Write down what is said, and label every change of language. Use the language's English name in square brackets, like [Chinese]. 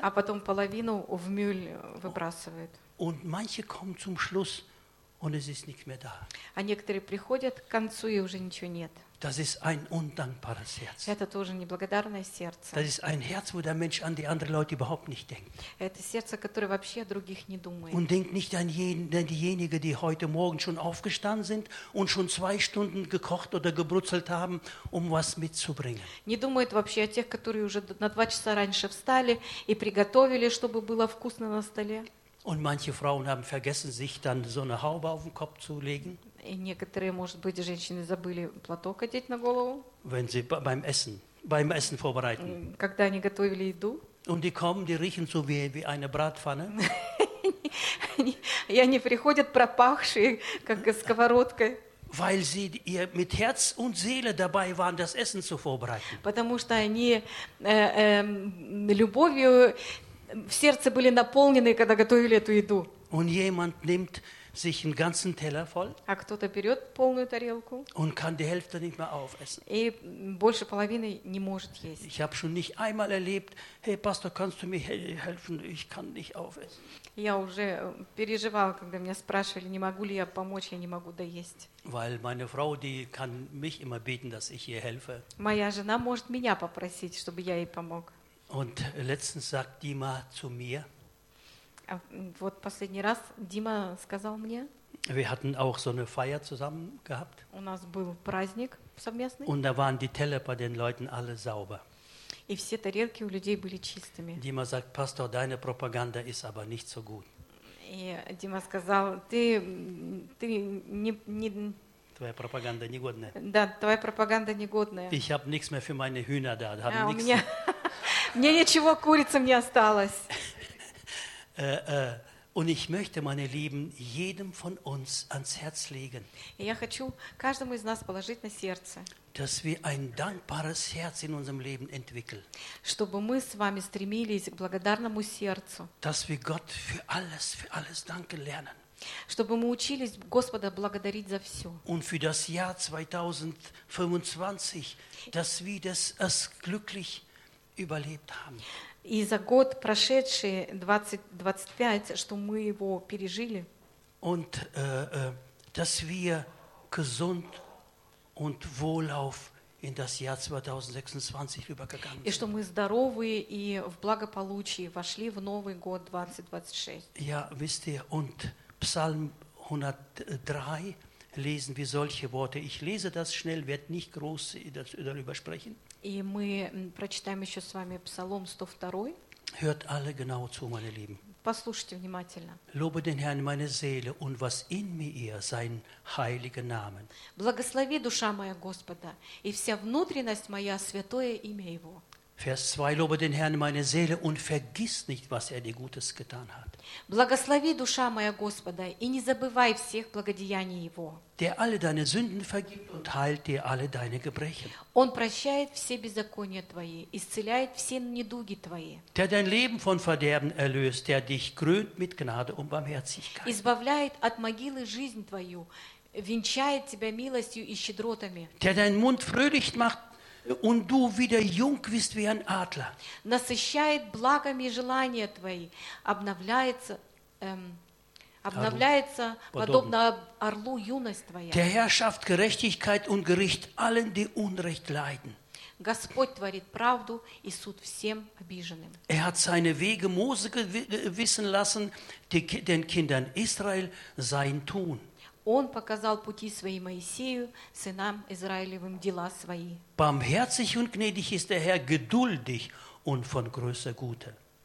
[Russian] А потом половину в Müll выбрасывают. [German] Und manche kommen zum Schluss. Und es ist nicht mehr da. [Russian] А некоторые приходят к концу и уже ничего нет. [German] Das ist ein undankbares Herz. [Russian] Это тоже неблагодарное сердце. [German] Das ist ein Herz, wo der Mensch an die anderen Leute überhaupt nicht denkt. [Russian] Это сердце, которое вообще о других не думает. [German] Und denkt nicht an diejenigen, die heute Morgen schon aufgestanden sind und schon zwei Stunden gekocht oder gebrutzelt haben, um was mitzubringen. [Russian] Не думает вообще о тех, которые уже на два часа раньше встали и приготовили, чтобы было вкусно на столе. [German] Und manche Frauen haben vergessen, sich dann so eine Haube auf den Kopf zu legen. [Russian] И некоторые, может быть, женщины забыли платок одеть на голову. [German] Wenn sie beim Essen vorbereiten. [Russian] Когда они готовили еду. [German] Und die kommen, die riechen so wie eine Bratpfanne. [Russian] И они приходят пропахшие, как сковородкой. [German] Weil sie ihr mit Herz und Seele dabei waren, das Essen zu vorbereiten. [Russian] Потому что они любовью в сердце были наполнены, когда готовили эту еду. [German] Und jemand nimmt sich einen ganzen Teller voll. [Russian] А кто-то берет полную тарелку. [German] Und kann die Hälfte nicht mehr aufessen. [Russian] И больше половины не может есть. [German] Ich habe schon nicht einmal erlebt, hey Pastor, kannst du mir helfen? Ich kann nicht aufessen. [Russian] Я уже переживала, когда меня спрашивали, не могу ли я помочь, я не могу доесть. [German] Weil meine Frau, die kann mich immer beten, dass ich ihr helfe. [Russian] Моя жена может меня попросить, чтобы я ей помог. [German] Und letztens sagt Dima zu mir. [Russian] Вот последний раз Дима сказал мне. [German] Wir hatten auch so eine Feier zusammen gehabt. [Russian] У нас был праздник совместный. [German] Und da waren die Teller bei den Leuten alle sauber. [Russian] И все тарелки у людей были чистыми. [German] Dima sagt, Pastor, deine Propaganda ist aber nicht so gut. [Russian] И Дима сказал, ты не Твоя пропаганда негодная. Да, твоя пропаганда негодная. [German] Ich habe nichts mehr für meine Hühner da. Ich habe nichts. [Russian] Мне ничего, курицам не осталось. [German] Und ich möchte, meine Lieben, jedem von uns ans Herz legen. [Russian] И я хочу каждому из нас положить на сердце. [German] Dass wir ein dankbares Herz in unserem Leben entwickeln. [Russian] Чтобы мы с вами стремились к благодарному сердцу. [German] Dass wir Gott für alles danken lernen. [Russian] Чтобы мы учились Господа благодарить за все. [German] Und für das Jahr 2025, dass wir das als glücklich überlebt haben. [Russian] И за год прошедший 2025, что мы его пережили. [German] Und dass wir gesund und wohlauf in das Jahr 2026 rübergegangen sind. [Russian] И что мы здоровы и в благополучии вошли в новый год 2026. [German] Ja, wisst ihr, und Psalm 103 lesen wir solche Worte. Ich lese das schnell, werde nicht groß darüber sprechen. [Russian] И мы прочитаем еще с вами Псалом 102. [German] Hört alle genau zu, meine Lieben. [Russian] Послушайте внимательно. [German] Lobe den Herrn, meine Seele, und was in mir ihr, sein heiliger Name. [Russian] Благослови, душа моя, Господа, и вся внутренность моя, святое имя Его. [German] Vers 2, lobe den Herrn, meine Seele, und vergiss nicht, was er dir Gutes getan hat. [Russian] Благослови, душа моя, Господа, и не забывай всех благодеяний Его. [German] Der alle deine Sünden vergibt und heilt dir alle deine Gebrechen. [Russian] Он прощает все беззакония твои, исцеляет все недуги твои. [German] Der dein Leben von Verderben erlöst, der dich krönt mit Gnade und Barmherzigkeit. [Russian] Избавляет от могилы жизнь твою, венчает тебя милостью и щедротами, [German] der deinen Mund fröhlich macht und du wieder jung bist wie ein Adler, [Russian] насыщает благами желания твои, обновляется, обновляется подобно орлу юность твоя, [German] der Herrschaft Gerechtigkeit und Gericht allen, die Unrecht leiden. [Russian] Господь творит правду и суд всем обиженным. [German] Er hat seine Wege Mose wissen lassen, den Kindern Israel sein Tun. [Russian] Он показал пути свои Моисею, сынам Израилевым дела свои. [German] Barmherzig und gnädig ist der Herr, geduldig und von größer Güte.